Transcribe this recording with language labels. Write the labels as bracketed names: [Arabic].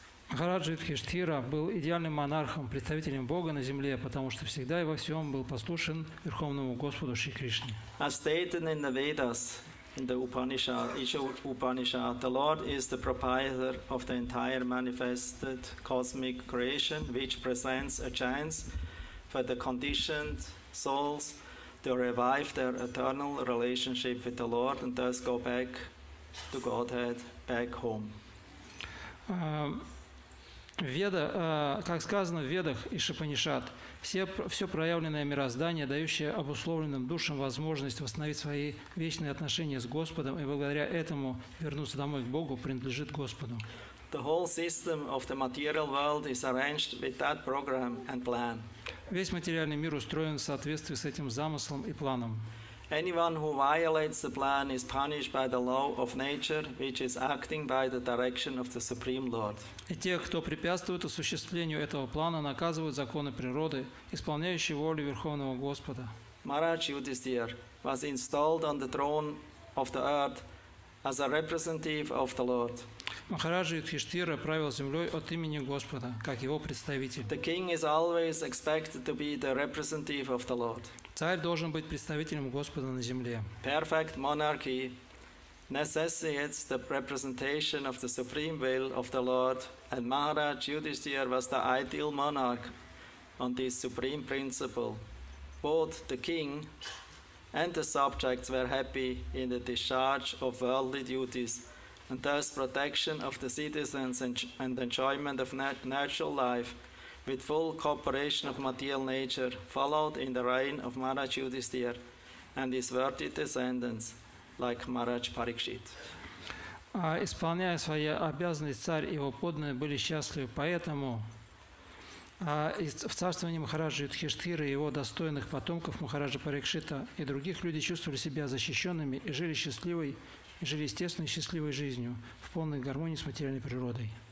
[Russian] Махараджа Юдхиштхира был идеальным монархом, представителем Бога на земле, потому что всегда и во всем был послушен Верховному Господу Шри Кришне. [English] As stated in the Vedas, in the Upanishad, Isha Upanishad, the Lord is the proprietor of the entire manifested cosmic creation, which presents a chance for the conditioned souls to revive their eternal relationship with the Lord and thus go back to Godhead, back home. [Russian] Как сказано в Ведах и Шупанишад, все проявленное мироздание, дающее обусловленным душам возможность восстановить свои вечные отношения с Господом и благодаря этому вернуться домой к Богу, принадлежит Господу. [English] The whole system of the material world is arranged with that program and plan. [Russian] Весь материальный мир устроен в соответствии с этим замыслом и планом. [English] Anyone who violates the plan is punished by the law of nature, which is acting by the direction of the Supreme Lord. [Russian] И те, кто препятствует осуществлению этого плана, наказывают законы природы, исполняющие волю Верховного Господа. [English] Maharaj Yudhisthira was installed on the throne of the earth as a representative of the Lord. [Russian] Махараджа Юдхиштхира правил землей от имени Господа, как его представитель. [English] The king is always expected to be the representative of the Lord. [Russian] Царь должен быть представителем Господа на земле. [English] Perfect monarchy necessitates the representation of the supreme will of the Lord, and Maharaj Yudhishthira was the ideal monarch on this supreme principle. Both the king and the subjects were happy in the discharge of worldly duties, and thus protection of the citizens and enjoyment of natural life with full cooperation of material nature followed in the reign of Maharaj Yudhishthira and his worthy descendants like Maharaj Parikshit. [Russian] Исполняя свои обязанности, царь и его подданные были счастливы, поэтому в царствовании Махараджа Юдхиштхира и его достойных потомков Махараджа Парикшита и других люди чувствовали себя защищенными и жили счастливой, жили естественной счастливой жизнью в полной гармонии с материальной природой.